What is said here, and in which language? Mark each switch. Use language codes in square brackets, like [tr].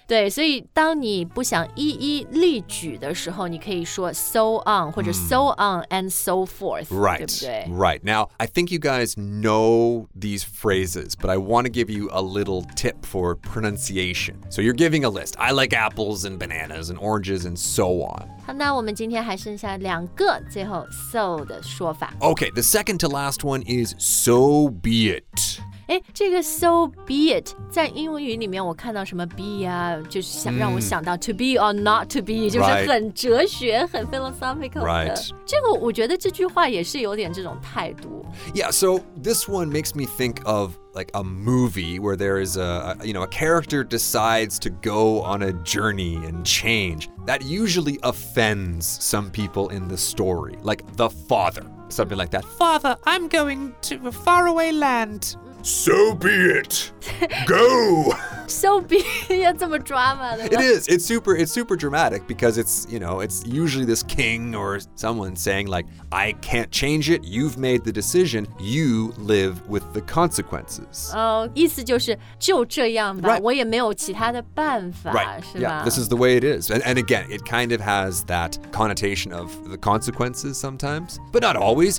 [zh] 对所以当你不想一一例举的时候你可以说 so on 或者 so on and so forth, [en] right, [zh] 对不对? [en] Right. Now, I think you guys know these phrases, but I want to give you a little tip for pronunciation. So you're giving a list. I like apples and bananas and oranges and so on. [zh] 好那我们今天还剩下两个最后 so 的说法。 [en] Okay, the second to last one is so be it. [zh] 哎，这个 so be it 在英文语里面我看到什么 be 啊，就是想让我想到 [en] to be or not to be， [zh] 就是很哲学、 [en] right. [zh] 很 philosophical 的、 [en] right. [zh] 这个我觉得这句话也是有点这种态度。 [en] Yeah, so this one makes me think of like a movie where there is a character decides to go on a journey and change. That usually offends some people in the story, like the father. Something like that. Father, I'm going to a faraway land. So be it. Go. So be it. [zh] 要这么 drama 的吗? [en] It is. It's super dramatic because it's usually this king or someone saying like, I can't change it. You've made the decision. You live with the consequences. [zh] Oh, 意思就是就这样吧。 [en] Right. [zh] 我也没有其他的办法。 [en] Right. [zh] 是吧? [en] Yeah, this is the way it is. And again, it kind of has that connotation of the consequences sometimes, but not always.